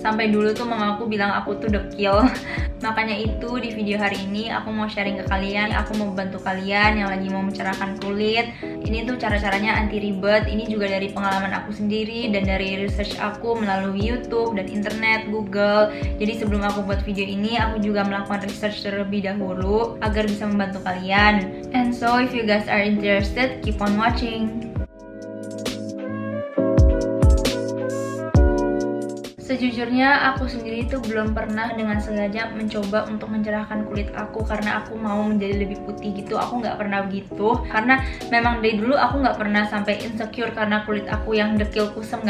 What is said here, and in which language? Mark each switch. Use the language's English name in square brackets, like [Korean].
[Indonesian] Sampai dulu tuh mama aku bilang aku tuh dekil. Makanya itu di video hari ini aku mau sharing ke kalian, aku mau bantu kalian yang lagi mau mencerahkan kulit. Ini tuh cara-caranya anti ribet. Ini juga dari pengalaman aku sendiri dan dari research aku melalui YouTube dan internet, Google. Jadi sebelum aku buat video ini, aku juga melakukan research terlebih dahulu agar bisa membantu kalian. [English] And so if you guys are interested, keep on watching. [Indonesian] Sejujurnya aku sendiri tuh belum pernah dengan sengaja mencoba untuk mencerahkan kulit aku karena aku mau menjadi lebih putih gitu. Aku nggak pernah begitu karena memang dari dulu aku nggak pernah sampai insecure karena kulit aku yang dekil kusam.